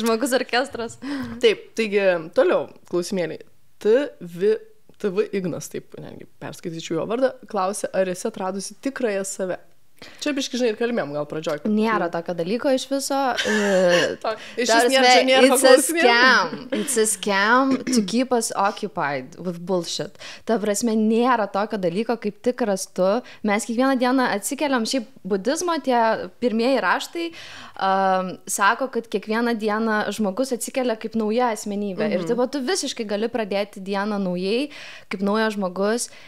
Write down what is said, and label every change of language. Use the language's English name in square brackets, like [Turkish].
[Lithuanian] Žmogus orkestras. Taip, taigi toliau klausimėliai. TV Ignas, taip netgi perskaitysiu jo vardą, klausė, ar esi atradusi tikrąją save. Čia biški, žinai, ir kalbėjom gal pradžioj. Nėra tokio dalyko iš viso. Iš vis nėra, čia nėra [English] it's [Lithuanian] klausimėlį. [English] It's a scam to keep us occupied with bullshit. [Lithuanian] Ta prasme, nėra tokio dalyko kaip tikras tu. Mes kiekvieną dieną atsikeliam, šiaip budizmo tie pirmieji raštai sako, kad kiekvieną dieną žmogus atsikelia kaip nauja asmenybė. Mm-hmm. Ir taip pat tu visiškai gali pradėti dieną naujai, kaip naujas žmogus.